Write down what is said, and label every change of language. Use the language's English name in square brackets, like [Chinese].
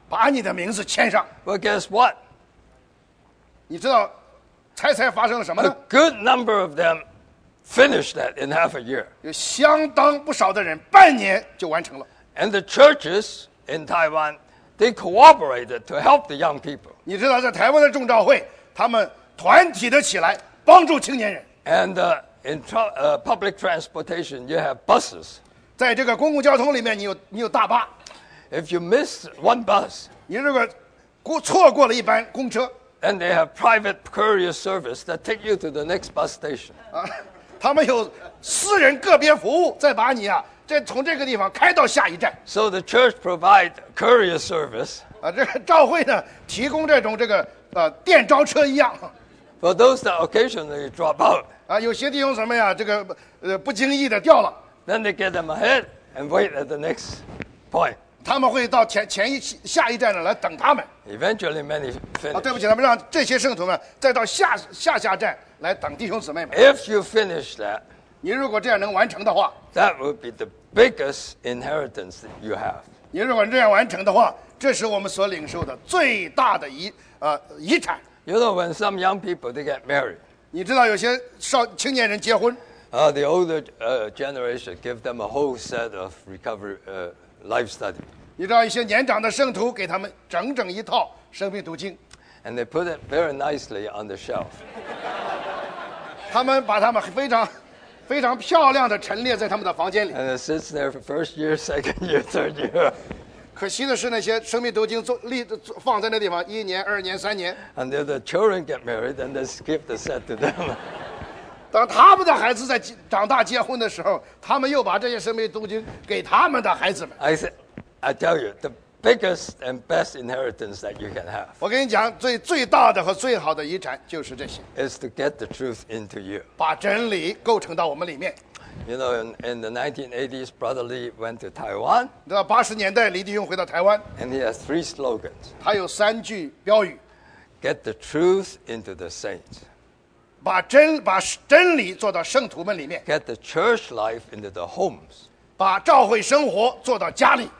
[Chinese] 把你的名字签上。 [English] Well, guess what? [Chinese] 你知道，猜发生了什么呢 [English] ？A good number of them finished that in half a year. [Chinese] 有相当不少的人半年就完成了。 [English] And the churches in Taiwan, they cooperated to help the young people. [Chinese] 你知道，在台湾的众召会，他们团体的起来帮助青年人。 [English] And public transportation, you have buses. [Chinese] 在这个公共交通里面，你有大巴。 [English] If you miss one bus, [Chinese] 你如果过错过了一班公车 [English] ，and they have private courier service that take you to the next bus station. [Chinese] 他们有私人个别服务，再把你啊，再从这个地方开到下一站。 [English] So the church provide courier service. [Chinese] 啊，这教会呢，提供这种这个电召车一样。 [English] For those that occasionally drop out. [Chinese] 啊，有些弟兄什么呀，这个不经意的掉了。 [English] Then they get them ahead and wait at the next point. [Chinese] 他们会到前一下一站呢来等他们。 [English] Eventually, many finish. [Chinese] 啊，对不起，他们让这些圣徒们再到下站来等弟兄姊妹们。 [English] If you finish that, [Chinese] 你如果这样能完成的话 [English] ，that would be the biggest inheritance that you have. [Chinese] 你如果这样完成的话，这是我们所领受的最大的遗产。 [English] You know, when some young people they get married, [Chinese] 你知道有些青年人结婚。 [English] The older generation give them a whole set of recovery life study. [Chinese] 你知道一些年长的圣徒给他们整整一套生命读经。 [English] And they put it very nicely on the shelf. [Chinese] 他们把他们非常漂亮的陈列在他们的房间里。 [English] And it sits there for first year, second year, third year. [Chinese] 可惜的是，那些生命读经放在那地方一年、二年、三年。 [English] And if the children get married, then they skip the set to them. [Chinese] 当他们的孩子在长大结婚的时候，他们又把这些生命读经给他们的孩子们。 [English] I tell you the biggest and best inheritance that you can have. [Chinese] 我跟你讲，最大的和最好的遗产就是这些。 [English] Is to get the truth into you. [Chinese] 把真理构成到我们里面。 [English] You know, in the 1980s, Brother Lee went to Taiwan. [Chinese] 你知道八十年代李弟兄回到台湾。 [English] And he has three slogans. [Chinese] 他有三句标语。 [English] Get the truth into the saints. [Chinese] 把真理做到圣徒们里面。 [English] Get the church life into the homes. [Chinese] 把教会生活做到家里。